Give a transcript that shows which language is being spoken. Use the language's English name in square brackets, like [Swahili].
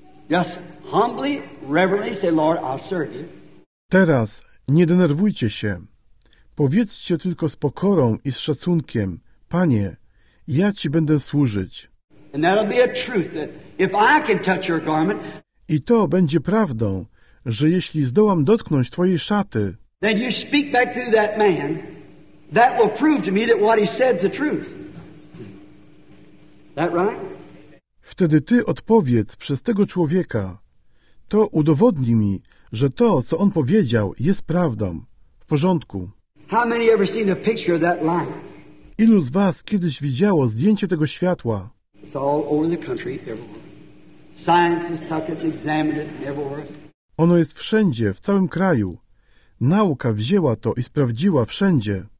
[English] Just humbly, reverently say, Lord, I'll serve you. [Polish] Teraz nie denerwujcie się. Powiedzcie tylko z pokorą i z szacunkiem: Panie, ja Ci będę służyć. [English] And that'll be a truth that if I can touch your garment, [Polish] i to będzie prawdą, że jeśli zdołam dotknąć Twojej szaty, [English] then you speak back through that man, that will prove to me that what he said is the truth. That right? [Polish] Wtedy Ty odpowiedz przez tego człowieka. To udowodni mi, że to, co on powiedział, jest prawdą. W porządku. [English] How many ever seen a picture of that light? [Polish] Ilu z was kiedyś widziało zdjęcie tego światła? [English] It's all over the country, everywhere. Science is tucked and examined it everywhere. [Polish] Ono jest wszędzie, w całym kraju. Nauka wzięła to i sprawdziła wszędzie.